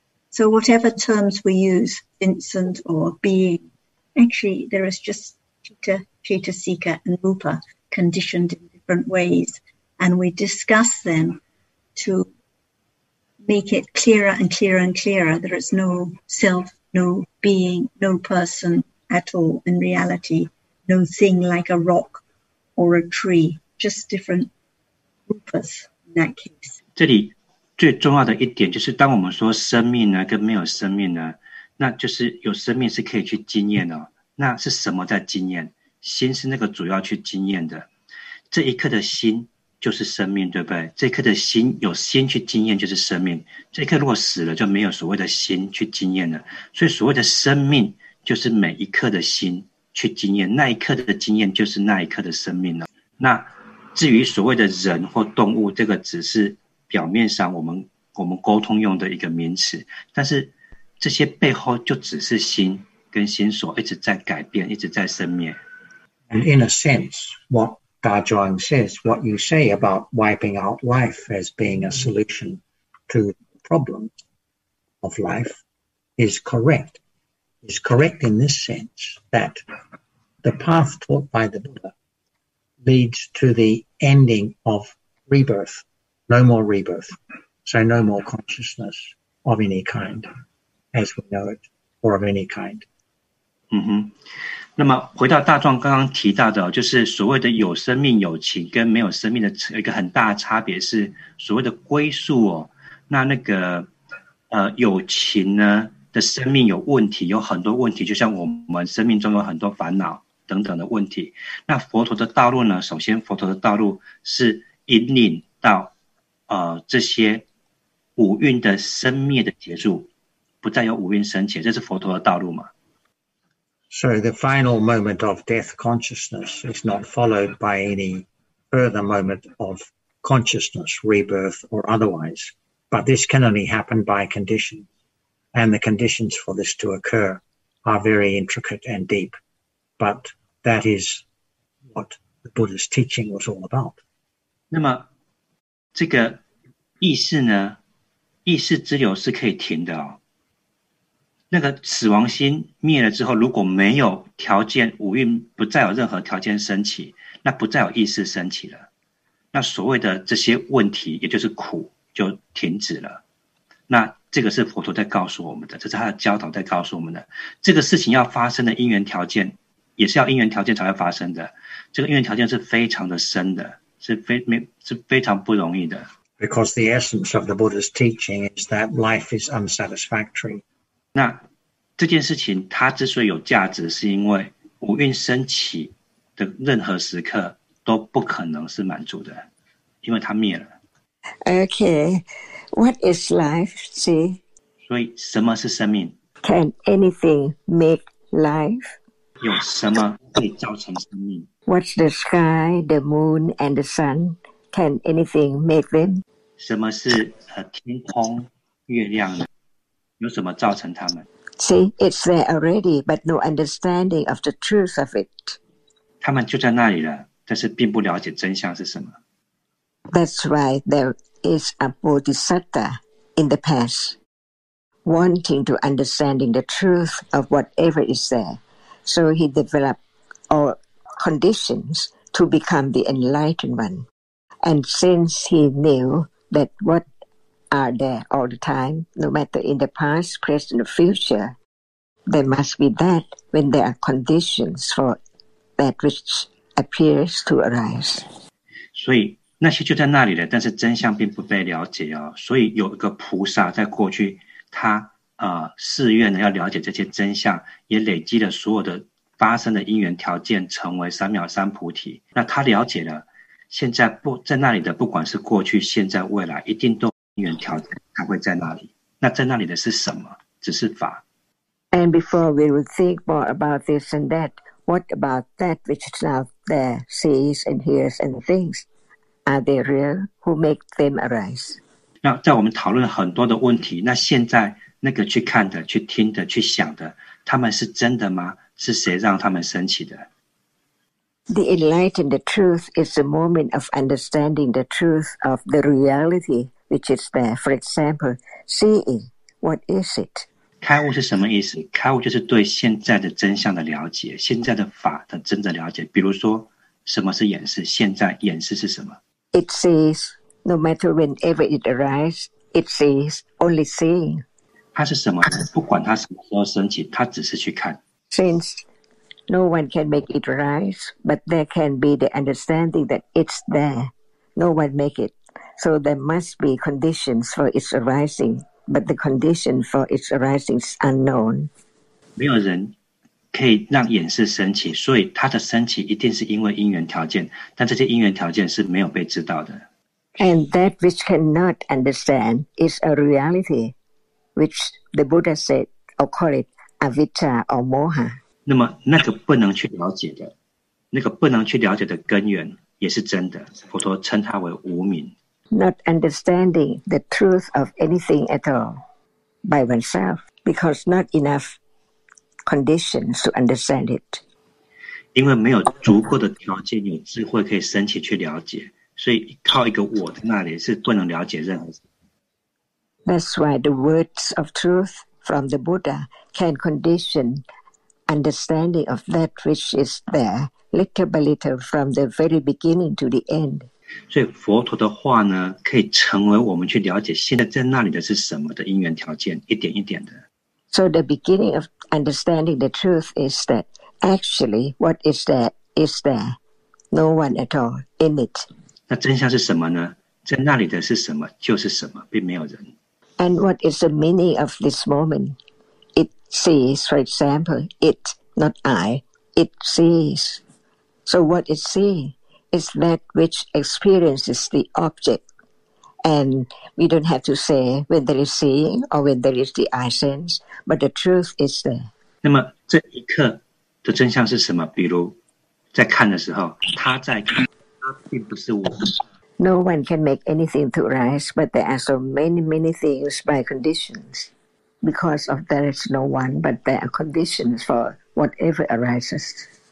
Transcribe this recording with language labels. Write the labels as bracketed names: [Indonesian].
[English] So whatever terms we use, Vincent or being, actually there is just citta, citta seeker and rupa conditioned in different ways, and we discuss them to make it clearer and clearer and clearer that it's no self, no being, no person at all in reality, no thing like a rock or a tree, just different rupas in that case. [Chinese] 这里最重要的一点就是当我们说生命呢跟没有生命呢，那就是有生命是可以去经验的，那是什么在经验？心是那个主要去经验的，这一刻的心就是生命，对不对？这一刻的心有心去经验就是生命，这一刻如果死了就没有所谓的心去经验了。所以所谓的生命就是每一刻的心去经验，那一刻的经验就是那一刻的生命了。那至于所谓的人或动物，这个只是表面上我们沟通用的一个名词，但是这些背后就只是心跟心所一直在改变，一直在生灭。 [English] And in a sense, what Dajuan says, what you say about wiping out life as being a solution to the problem of life is correct. Is correct in this sense that the path taught by the Buddha leads to the ending of rebirth. No more rebirth, so no more consciousness of any kind as we know it, or of any kind. [Chinese] 嗯哼，那么回到大壮刚刚提到的，就是所谓的有生命有情跟没有生命的一个很大的差别是所谓的归宿哦。那个有情呢的生命有问题，有很多问题，就像我们生命中有很多烦恼等等的问题。那佛陀的道路呢，首先佛陀的道路是引领到这些五蕴的生灭的结束，不再有五蕴生起，这是佛陀的道路嘛。 [English] So the final moment of death consciousness is not followed by any further moment of consciousness, rebirth or otherwise. But this can only happen by conditions. And the conditions for this to occur are very intricate and deep. But that is what the Buddha's teaching was all about. [Chinese] 那么这个意识呢，意识之流是可以停的哦。那个死亡心灭了之后，如果没有条件，五蕴不再有任何条件升起，那不再有意识升起了，那所谓的这些问题也就是苦就停止了。那这个是佛陀在告诉我们的，这是他的教导在告诉我们的。这个事情要发生的因缘条件也是要因缘条件才会发生的，这个因缘条件是非常的深的，是非常不容易的。 [English] Because the essence of the Buddha's teaching is that life is unsatisfactory. [Chinese] 那这件事情它之所以有价值，是因为五蕴升起的任何时刻都不可能是满足的，因为它灭了。 [English] Okay, what is life? See? [Chinese] 所以什么是生命？ [English] Can anything make life? [Chinese] 有什么会造成生命。 [English] What's the sky, the moon, and the sun? Can anything make them? [Chinese] 什么是天空、月亮呢？有什么造成它们？ [English] See, it's there already, but no understanding of the truth of it. [Chinese] 它们就在那里了，但是并不了解真相是什么。 [English] That's why there is a bodhisattva in the past, wanting to understanding the truth of whatever is there. So he developed all conditions to become the enlightened one. And since he knew that what are there all the time, no matter in the past, present, or future, there must be that when there are conditions for that which appears to arise. [Chinese] 所以那些就在那里了，但是真相并不被了解哦。所以有一个菩萨在过去，他誓愿呢要了解这些真相，也累积了所有的发生的因缘条件，成为三藐三菩提。那他了解了，现在不在那里的，不管是过去、现在、未来，一定都有因缘条件，他会在那里。那在那里的是什么？只是法。 [English] And before we would think more about this and that, what about that which is now there, sees and hears and thinks? Are they real? Who make them arise? [Chinese] 那在我们讨论很多的问题，那现在那个去看的、去听的、去想的，他们是真的吗？是谁让他们升起的？ [English] The enlightened truth is the moment of understanding the truth of the reality which is there. For example, seeing, what is it? [Chinese] 开悟是什么意思？开悟就是对现在的真相的了解，现在的法的真的了解。比如说，什么是眼识？现在眼识是什么？ [English] It sees, no matter whenever it arises, it sees only seeing. [Chinese] 它是什么？不管它什么时候升起，它只是去看。 [English] Since no one can make it rise, but there can be the understanding that it's there. No one make it. So there must be conditions for its arising, but the condition for its arising is unknown. [Chinese] 没有人可以让眼识升起，所以它的升起一定是因为因缘条件，但这些因缘条件是没有被知道的。 [English] And that which cannot understand is a reality, which the Buddha said, or call itAvita or Moha. [Chinese] 那么那个不能去了解的，那个不能去了解的根源也是真的。佛陀称它为无明。 [English] Not understanding the truth of anything at all by oneself, because not enough conditions to understand it. [Chinese] 因为没有足够的条件，有智慧可以升起去了解，所以靠一个我在那里是不能了解任何事。 [English] That's why the words of truth. From the Buddha can condition understanding of that which is there little by little from the very beginning to the end. [Chinese] 所以佛陀的话呢，可以成为我们去了解现在在那里的是什么的因缘条件，一点一点的。 [English] So the beginning of understanding the truth is that actually what is there is there, no one at all in it. [Chinese] 那真相是什么呢？在那里的是什么，就是什么，并没有人。 [English] And what is the meaning of this moment? It sees, for example, it, not I, it sees. So what it sees is that which experiences the object. And we don't have to say whether it's seeing or whether it's the eye sense, but the truth is there. [Chinese] 那么这一刻的真相是什么？比如在看的时候，他在看，他并不是我。 [English] No one can make anything to rise, but there are so many, many things by conditions. Because of there is no one, but there are conditions for whatever arises.